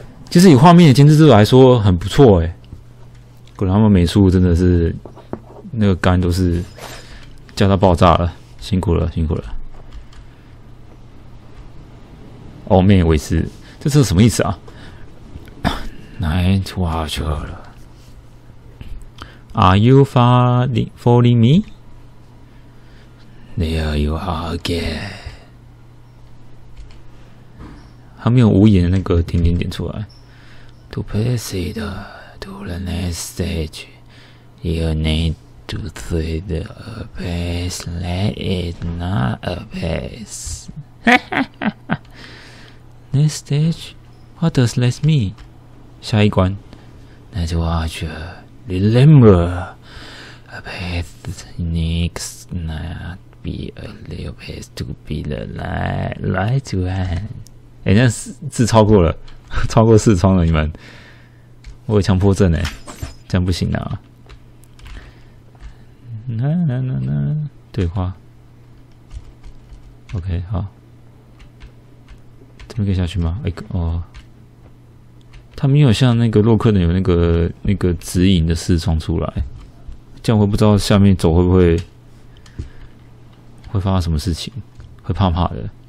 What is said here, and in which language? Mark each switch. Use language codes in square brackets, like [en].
[zh] 其实以画面的精致度来说，很不错欸，果然他们美术真的是那个肝都是加到爆炸了，辛苦了，辛苦了。哦，灭尾师，这是什么意思啊？来抓住了 [en] ！Are you following me? There you are again。 [zh] 他没有无言的那个点点点出来。 [en] To proceed to the next stage, you need to find a place that is not a place. Next stage, what does this mean? [zh] 下一关 [en] ，Let's watch. Remember, a path needs not be a little path to be the right one. [zh] 哎，那字超过了，超过四窗了，你们，我有强迫症哎，这样不行啊。那对话 ，OK， 好。这边可以下去吗？哎，哦，他没有像那个洛克人有那个指引的视窗出来，这样我不知道下面走会不会会发生什么事情，会怕怕的。